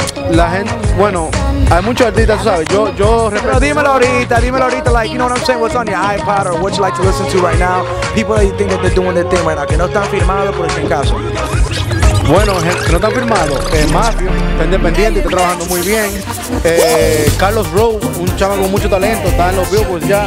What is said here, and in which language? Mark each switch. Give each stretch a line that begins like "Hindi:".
Spanish: La gente, bueno, hay muchos artistas, tú sabes. Yo respeto. Dímelo ahorita,
English: like, you know what I'm saying? What's on your iPod or what you like to listen to right now? People that you think that they're doing their thing right now,
Spanish: que no están firmados por este caso. Bueno, no está firmado, Mafio, está independiente, está trabajando muy bien. Carlos Rowe, un chaval con mucho talento, está en los Billboards ya.